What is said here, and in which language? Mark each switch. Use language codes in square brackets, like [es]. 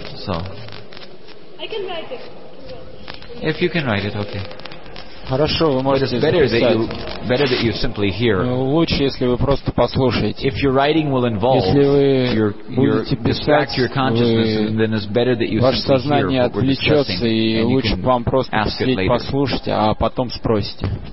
[en] I can write it. If you can write it, okay. [ru] Хорошо, вы можете записать. [en] Better that you simply hear. [ru] Лучше, если вы просто послушаете. [en] If your writing will involve, [ru] если вы [en] distract your consciousness, then it's better that you simply hear. [ru] Ваше сознание отвлечется, и лучше вам просто посидеть, послушать, а потом спросите.